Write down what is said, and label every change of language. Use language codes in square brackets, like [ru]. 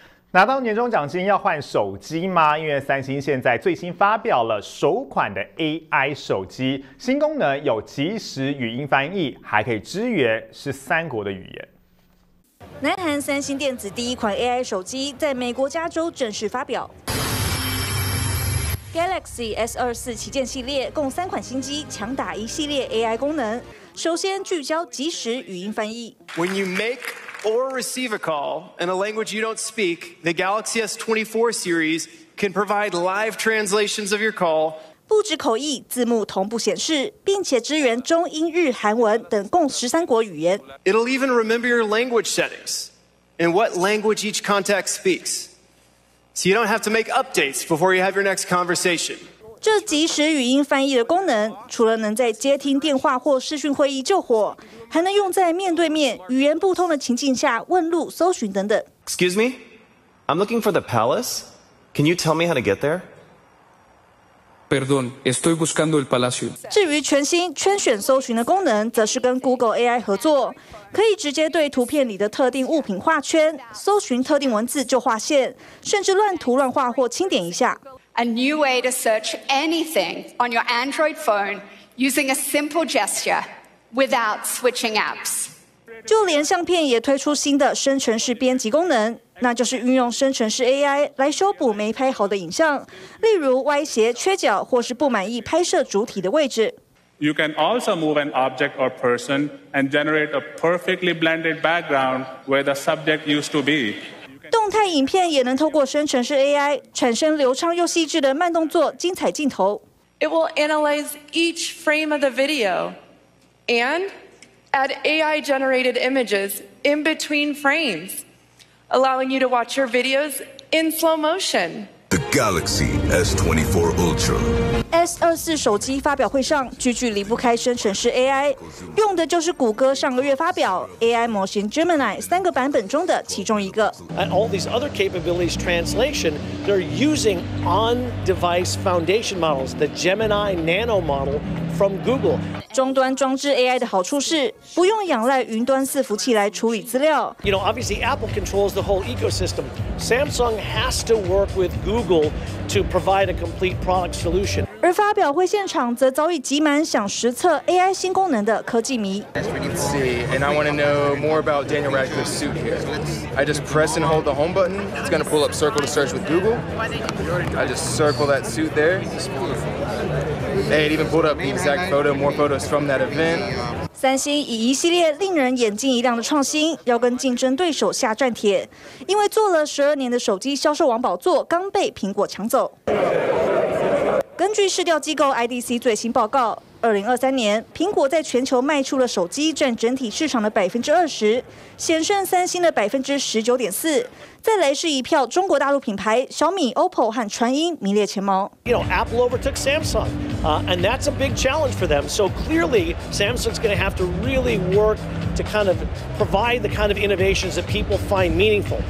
[zh] 拿到年终奖金要换手机吗？因为三星现在最新发表了首款的 AI 手机，新功能有即时语音翻译，还可以支援13国的语言。南韩三星电子第一款 AI 手机在美国加州正式发表。 Galaxy S24 旗舰系列共3款新机，强打一系列 AI 功能。首先聚焦即时语音翻译。 [en] When you make or receive a call in a language you don't speak, the Galaxy S24 series can provide live translations of your call. [zh] 不止口译，字幕同步显示，并且支援中英日韩文等共13国语言。 [en] It'll even remember your language settings and what language each contact speaks, so you don't have to make updates before you have your next conversation. [zh] 这即时语音翻译的功能，除了能在接听电话或视讯会议救火，还能用在面对面、语言不通的情境下问路、搜寻等等。 [en] Excuse me, I'm looking for the palace. Can you tell me how to get there? [es] Perdón, estoy buscando el palacio. [zh] 至于全新圈选搜寻的功能，则是跟 Google AI 合作，可以直接对图片里的特定物品画圈，搜寻特定文字就画线，甚至乱涂乱画或轻点一下。 [en] A new way to search anything on your Android phone using a simple gesture without switching apps. [zh] 就连相片也推出新的生成式编辑功能。那就是运用生成式 AI 来修补没拍好的影像，例如歪斜、缺角或是不满意拍摄主体的位置。 [en] You can also move an object or person and generate a perfectly blended background where the subject used to be. [zh] 动态影片也能透过生成式 AI 产生流畅又细致的慢动作、精彩镜头。 [en] It will analyze each frame of the video and add AI-generated images in between frames. Allowing you to watch your videos in slow motion. The Galaxy S24 Ultra. [zh] S24 手机发表会上，句句离不开生成式 AI， 用的就是谷歌上个月发表 AI 模型 Gemini 3个版本中的其中一个。 [en] And all these other capabilities, translation, they're using on-device foundation models, the Gemini Nano model from Google. [zh] 终端装置 AI 的好处是不用仰赖云端伺服器来处理资料。 [en] You know, obviously Apple controls the whole ecosystem. Samsung has to work with Google to provide a complete product solution. [zh] 而发表会现场则早已挤满想实测 AI 新功能的科技迷。 [en] As we can see, and I want to know more about Daniel Radcliffe's suit here. I just press and hold the home button. It's going to pull up Circle to search with Google. I just circle that suit there. Hey, it even pulled up the exact photo, more photos from that event. [zh] 三星以一系列令人眼睛一亮的创新，要跟竞争对手下战帖，因为做了十二年的手机销售王宝座刚被苹果抢走。根据市调机构 IDC 最新报告，2023年，苹果在全球卖出了手机占整体市场的20%，险胜三星的19.4%。再来是一票中国大陆品牌，小米、OPPO 和传音名列前茅。 [en] You know, Apple overtook Samsung, and that's a big challenge for them. So clearly, Samsung's going to have to really work to kind of provide the kind of innovations that people find meaningful.